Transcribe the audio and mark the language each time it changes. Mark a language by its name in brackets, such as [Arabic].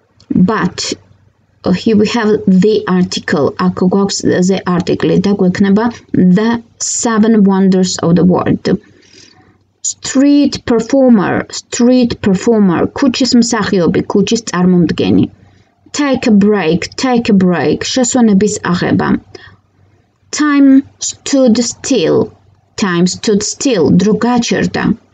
[English] But here we have the article, [Georgian] აქ გვაქვს [English] the article, [Georgian] და გვექნება [English] the seven wonders of the world. street performer, [Georgian] ქუჩის მსახიობი, ქუჩის წარმომდგენი. [English] Take a break, [Georgian] შესვენების აღება. [English] Time stood still, [Georgian] დრო გაჩერდა.